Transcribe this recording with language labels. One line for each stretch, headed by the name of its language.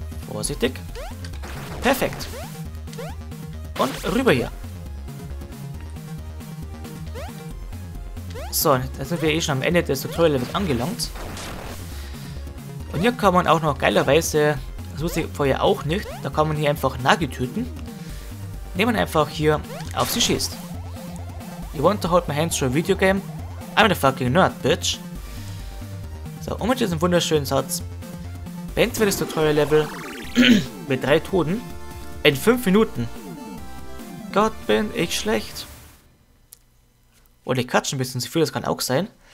German: Vorsichtig. Perfekt. Und rüber hier. So, da sind wir eh schon am Ende des Tutorial-Levels angelangt. Und hier kann man auch noch geilerweise, das wusste ich vorher auch nicht, da kann man hier einfach Nagi töten. Indem man einfach hier auf sie schießt.
English: You want to hold my hands through a video game? I'm the fucking nerd, bitch.
German: So, und mit diesem wunderschönen Satz beendet wir das Tutorial-Level mit 3 Toten in 5 Minuten. Gott, bin ich schlecht. Oder ich katsche ein bisschen zu viel, das kann auch sein.